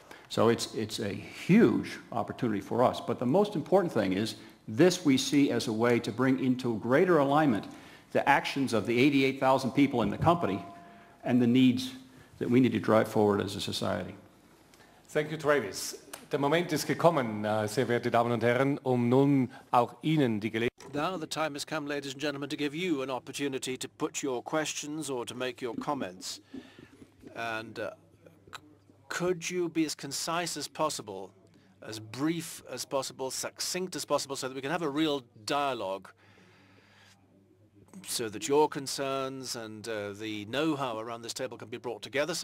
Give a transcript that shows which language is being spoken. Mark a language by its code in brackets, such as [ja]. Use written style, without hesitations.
[en] So it's a huge opportunity for us. But the most important thing is this we see as a way to bring into greater alignment the actions of the 88,000 people in the company and the needs that we need to drive forward as a society. Thank you, Travis. [de] Der Moment ist gekommen, sehr verehrte Damen und Herren, nun auch Ihnen die Gelegenheit. [en] Now the time has come, ladies and gentlemen, to give you an opportunity to put your questions or to make your comments. Could you be as concise as possible, as brief as possible, succinct as possible, so that we can have a real dialogue, so that your concerns and the know-how around this table can be brought together?